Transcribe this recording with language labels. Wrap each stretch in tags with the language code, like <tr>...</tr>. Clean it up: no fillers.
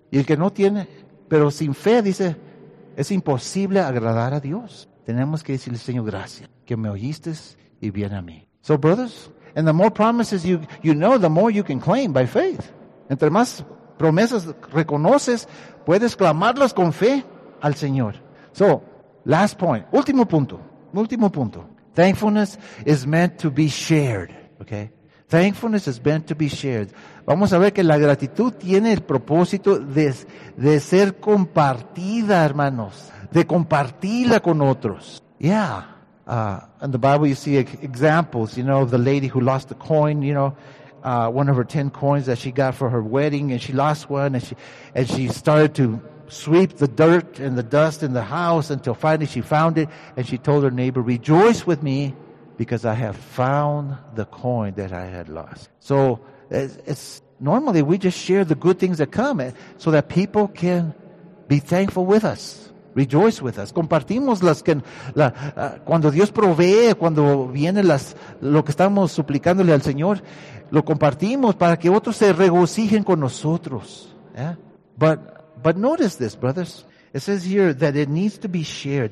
<es>Y el que no tiene, pero sin fe, dice, es imposible agradar a Dios. Tenemos que decirle, Señor, gracias, que me oíste y viene a mí.</es> <en>So, brothers, and the more promises you know, the more you can claim by faith.</en> <es>Entre más promesas reconoces, puedes clamarlas con fe al Señor.</es> <en>So, last point.</en> <es>Último punto.</es> <en>Thankfulness is meant to be shared. Okay? Thankfulness is meant to be shared.</en> <es>Vamos a ver que la gratitud tiene el propósito de ser compartida, hermanos. De compartirla con otros. Yeah.</es> <en>In the Bible you see examples, you know, of the lady who lost a coin, you know, one of her 10 coins that she got for her wedding, and she lost one, and she started to sweep the dirt and the dust in the house until finally she found it, and she told her neighbor, rejoice with me because I have found the coin that I had lost. So it's normally we just share the good things that come so that people can be thankful with us. Rejoice with us.</en> <es>Compartimos las que la, cuando Dios provee, cuando viene las lo que estamos suplicándole al Señor, lo compartimos para que otros se regocijen con nosotros.</es> <en>Yeah? But notice this, brothers. It says here that it needs to be shared.</en>